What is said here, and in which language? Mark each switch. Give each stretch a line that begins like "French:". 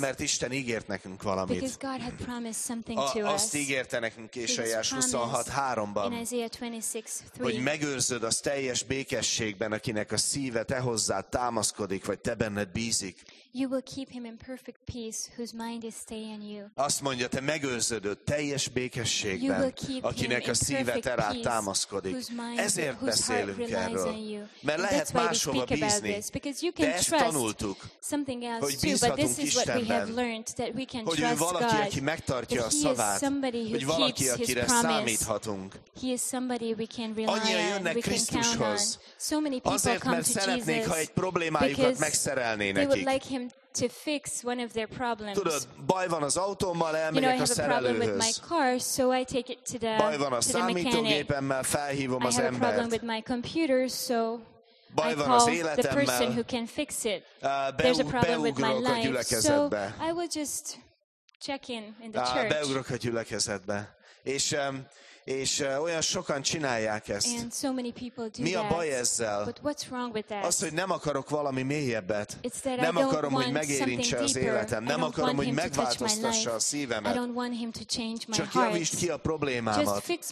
Hungarian: Mert Isten ígért nekünk valamit.
English: Because God had promised something to us.
Hungarian: Azt ígérte nekünk Ésaiás 26:3-ban, hogy megőrzöd az teljes békességben, akinek a szíve te hozzád támaszkodik, vagy te benned bízik.
English: You will keep him in perfect peace whose mind is stay in you.
Hungarian: Azt mondja, te megőrződöd teljes békességben, akinek akinek a szíve te rád támaszkodik. Ezért beszélünk erről. Mert lehet máshova bízni, de ezt tanultuk, hogy bízhatunk Istenben, hogy ő valaki, aki megtartja a szavát, hogy valaki, akire számíthatunk. Annyian jönnek Krisztushoz, azért, mert szeretnék, ha egy problémájukat megszerelné nekik.
English: To fix one of their problems.
Hungarian: Tudod, baj van az autómmal, elmegyek a szerelőhöz.
English: My car, so I take it to the mechanic.
Hungarian: Baj van a számítógépemmel, felhívom az embert.
English: I have a problem with my computer, so I call the person who can fix it. There's a problem with my life, so I will just check in the church.
Hungarian: Beugrok a gyülekezetbe. És olyan sokan csinálják ezt.
English: So
Hungarian: mi a baj ezzel? Az, hogy nem akarok valami mélyebbet. Nem akarom, hogy megérintse az életem. Nem akarom, hogy megváltoztassa a szívemet. Csak javítsd ki a problémámat.